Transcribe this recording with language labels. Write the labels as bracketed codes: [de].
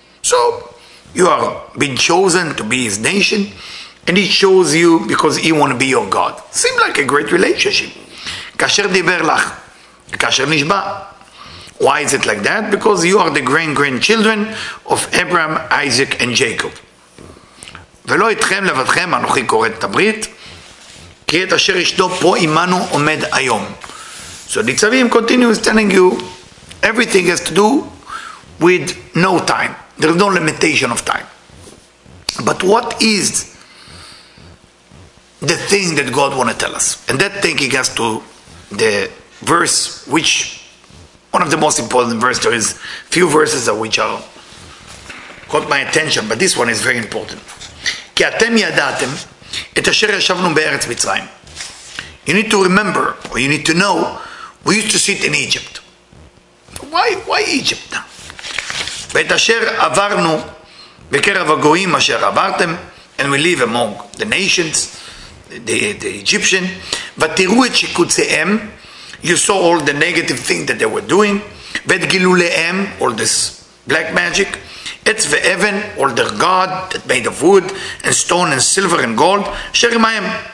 [en] So you are being chosen to be his nation. And he chose you because he want to be your God. Seems like a great relationship. [he] Kasher diber lach. Kasher nishba. [en] Why is it like that? Because you are the grandchildren of Abraham, Isaac, and Jacob. [he] ולא איתכם לבדכם, אנוכי קורא את הברית, כי את אשר ישנו פה אימנו עומד היום. [en] So ניצבים continues telling you, everything has to do with no time. There is no limitation of time. But what is the thing that God want to tell us? And that taking us to the verse, which one of the most important verses, there is few verses of which are caught my attention, but this one is very important. [he] כי אתם ידעתם את אשר ישבנו בארץ מצרים. [en] You need to remember, or you need to know, we used to sit in Egypt. Why Egypt? [he] ואת אשר עברנו בקרב הגויים אשר עברתם, [en] and we live among the nations, the Egyptian, [he] ותראו את שיקוציהם, [en] you saw all the negative things that they were doing, [he] ואת גילוליהם, [en] all this black magic, it's the even or the god that made of wood and stone and silver and gold. Sherimayim.